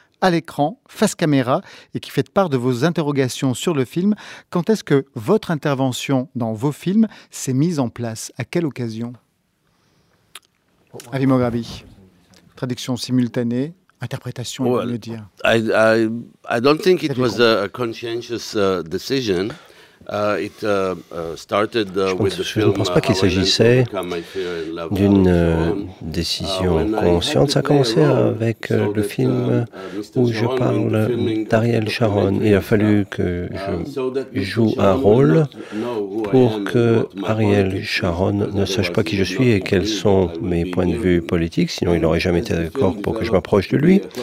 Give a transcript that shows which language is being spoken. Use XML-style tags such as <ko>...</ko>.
<fr>à l'écran, face caméra, et qui faites part de vos interrogations sur le film. Quand est-ce que votre intervention dans vos films s'est mise en place ? À quelle occasion ? Avi Moghrabi, traduction simultanée, interprétation, on peut le dire.</fr> <en>I don't think it was a conscientious decision.</en> <fr>Je ne pense pas qu'il s'agissait d'une décision consciente. Ça a commencé avec le film où je parle d'Ariel Sharon. Il a fallu que je joue un rôle pour que Ariel Sharon ne sache pas qui je suis et quels sont mes points de vue politiques, sinon il n'aurait jamais été d'accord pour que je m'approche de lui.</fr>